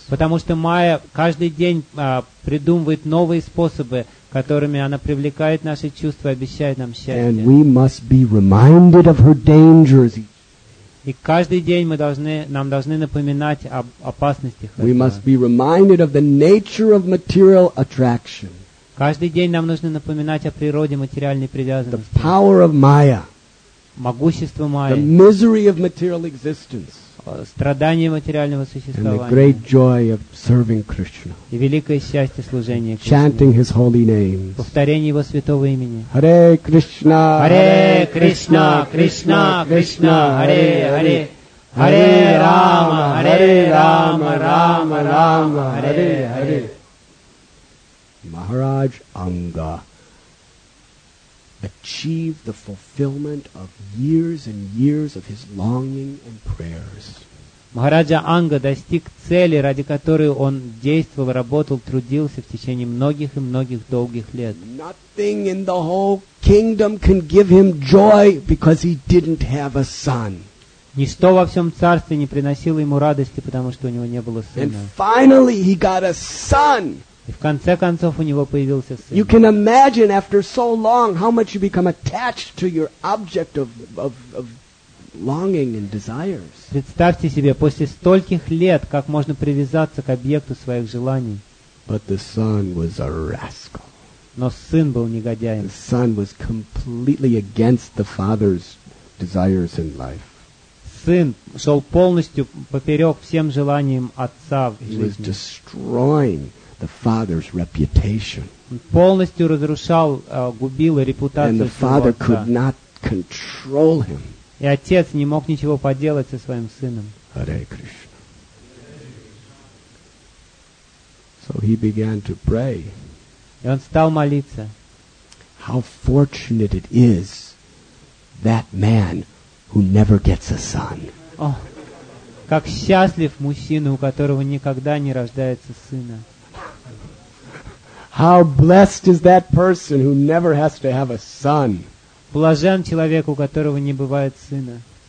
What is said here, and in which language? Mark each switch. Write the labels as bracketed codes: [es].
[ru] Потому что Майя каждый день придумывает новые способы, которыми она привлекает наши чувства и обещает нам счастье. [en] And we must be reminded of her dangers. [ru] И каждый день мы должны, нам должны напоминать об опасностях этого. [en] We must be reminded of the nature of material attraction. [ru] Каждый день нам нужно напоминать о природе материальной привязанности. [en] The power of Maya. [ru] Могущество Майи. [en] The misery of material existence. [ru] Страдания материального существования. [en] And the great joy of serving Krishna. [ru] И великое счастье служения Кришне. [en] Chanting His holy names. [ru] Повторение Его святого имени. [sa] Hare Krishna. Hare Krishna. Krishna Krishna. Hare Hare. Hare Rama. Hare Rama. Rama Rama. Hare Hare. [en] Maharaj Anga achieve the fulfillment of years and years of his longing and prayers. [ru] Maharaja Anga достиг цели, ради которой он действовал, работал, трудился в течение многих и многих долгих лет. [en] Nothing in the whole kingdom can give him joy because he didn't have a son. [ru] Ничто во всем царстве не приносило ему радости, потому что у него не было сына. [en] And finally he got a son. [ru] И в конце концов у него появился сын. [en] You can imagine after so long how much you become attached to your object of longing and desires. [ru] Представьте себе, после стольких лет, как можно привязаться к объекту своих желаний. [en] But the son was a rascal. [ru] Но сын был негодяем. [en] The son was completely against the father's desires in life. [ru] Сын шел полностью поперек всем желаниям отца в жизни. [en] He was destroying the father's reputation. [ru] Он полностью разрушал, губил репутацию своего отца. [en] And the father could not control him. [ru] И отец не мог ничего поделать со своим сыном. [sa] Харе Кришна. [en] So he began to pray. [ru] И он стал молиться. [en] How fortunate it is that man who never gets a son. [ru] О, как счастлив мужчина, у которого никогда не рождается сына. [en] How blessed is that person who never has to have a son. [ru] Блажен человек, у которого не бывает сына.